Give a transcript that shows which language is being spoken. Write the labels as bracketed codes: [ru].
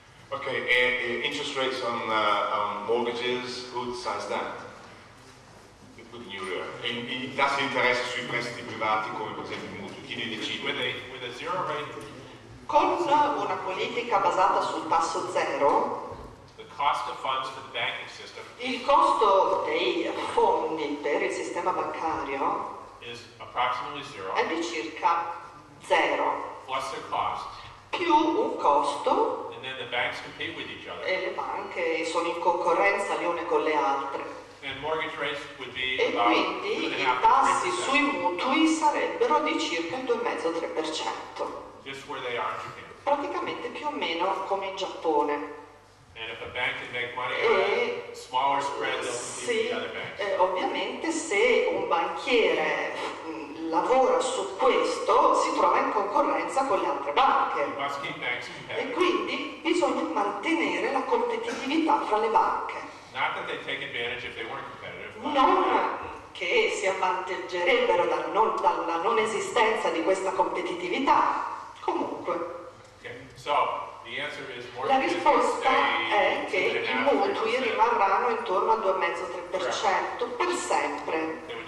[en] Ok, and interest rates on mortgages, who decides that? Including Euro. [it] I tassi di interesse sui prestiti privati, come per esempio i mutui, chi li decide? [en] With a zero rate? [it] Con una politica basata sul tasso zero, [en] the cost of funds for the banking system, [it] il costo dei fondi per il sistema bancario [en] is approximately zero, [it] è di circa zero. [en] Plus the cost. [it] Più un costo. [en] And then the banks compete with each other. [it] E le banche sono in concorrenza le une con le altre. [en] And mortgage rates would be [it] e quindi i tassi sui mutui sarebbero di circa il 2,5-3%. [en] Just where they are in Japan. [it] Praticamente più o meno come in Giappone. [en] And if a bank can make money on a smaller spread, they'll compete with the other banks. [it] Ovviamente se un banchiere lavora su questo, si trova in concorrenza con le altre banche. E quindi bisogna mantenere la competitività fra le banche. [en] Not that they'd take advantage if they weren't competitive. [it] Non che si avvantaggerebbero dalla non esistenza di questa competitività. Comunque. [en] Okay. So, the answer is [it] la risposta è che i mutui rimarranno intorno al 2,5-3% per sempre.